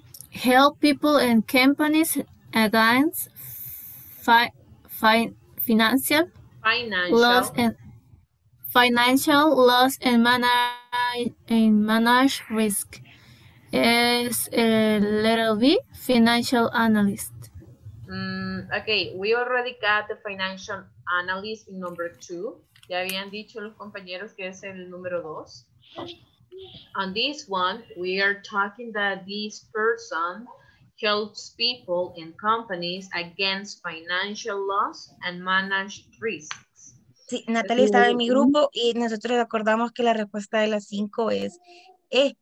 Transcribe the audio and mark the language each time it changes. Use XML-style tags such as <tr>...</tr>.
<en>Help people and companies against financial loss and manage risk. Is a little B, financial analyst. Okay, we already got the financial analyst in number two.</en> <es>Ya habían dicho los compañeros que es el número dos.</es> <en>On this one, we are talking that this person helps people and companies against financial loss and manage risks.</en> <es>Sí, Natalie estaba en mi grupo y nosotros acordamos que la respuesta de las cinco es E.</es>